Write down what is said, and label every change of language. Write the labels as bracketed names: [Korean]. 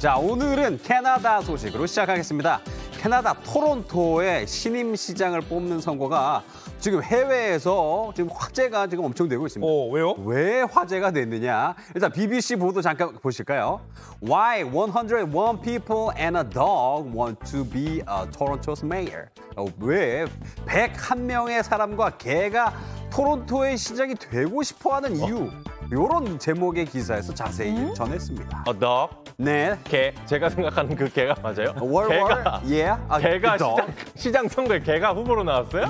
[Korean] 자, 오늘은 캐나다 소식으로 시작하겠습니다. 캐나다 토론토의 신임 시장을 뽑는 선거가 지금 해외에서 지금 화제가 지금 엄청 되고 있습니다. 왜요? 왜 화제가 됐느냐? 일단 BBC 보도 잠깐 보실까요? [English] Why 101 people and a dog want to be a Toronto's mayor? [Korean] 왜 101명의 사람과 개가 토론토의 시장이 되고 싶어 하는 이유? 이런 제목의 기사에서 자세히 전했습니다. [English] A dog? [Korean] 네. 개. 제가 생각하는 그 개가 맞아요? World 개가. [English] Yeah. [Korean] 개가 시장 선거에 개가 후보로 나왔어요?